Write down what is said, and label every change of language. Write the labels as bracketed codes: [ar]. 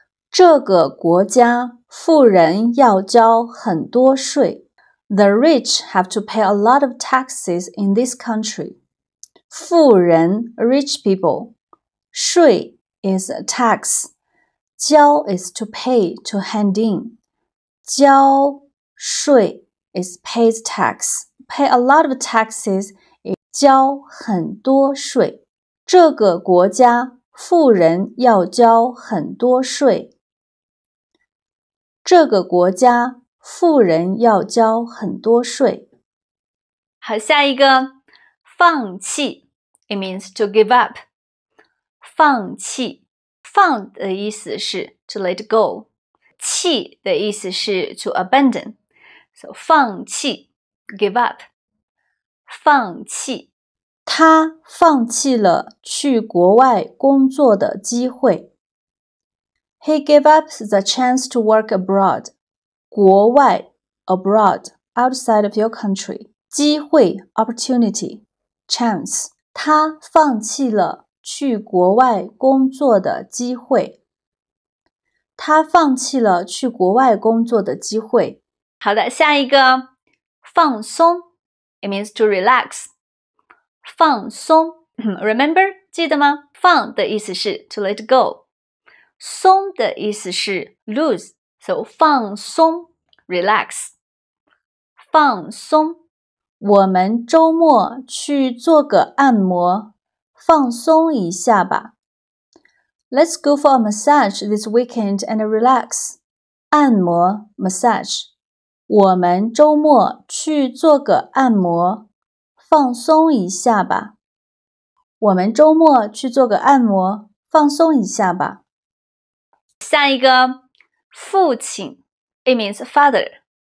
[zh] 这个国家富人要交很多税. [en] The rich have to pay a lot of taxes in this country. 富人, rich people. 税 is a tax. 交 is to pay, to hand in. 交税 is pays tax. Pay a lot of taxes is 交很多税。 [zh] 这个国家富人要交很多税。这个国家富人要交很多税。好，下一个，放弃。 [en] It means to give up. [zh] 放弃。放的意思是 [en] to let go, [zh] 弃的意思是 [en] to abandon, [zh] so 放弃 give up, 放弃。他放弃了去国外工作的机会。 [en] He gave up the chance to work abroad, 国外 abroad, outside of your country, 机会 opportunity, chance, [zh] 他放弃了去国外工作的机会。他放弃了去国外工作的机会。好的，下一个，放松。 [en] It means to relax. [zh] 放松。 [en] Remember, [zh] 记得吗？ [en] 放的意思是 to let go. [zh] 松的意思是 [en] lose. So, 放松， relax. 放松。 [zh] 我们周末去做个按摩。放松一下吧。 [en] Let's go for a massage this weekend and relax. 按摩 massage. [zh] 我们周末去做个按摩，放松一下吧。我们周末去做个按摩，放松一下吧。下一个，父亲。 [en] It means father.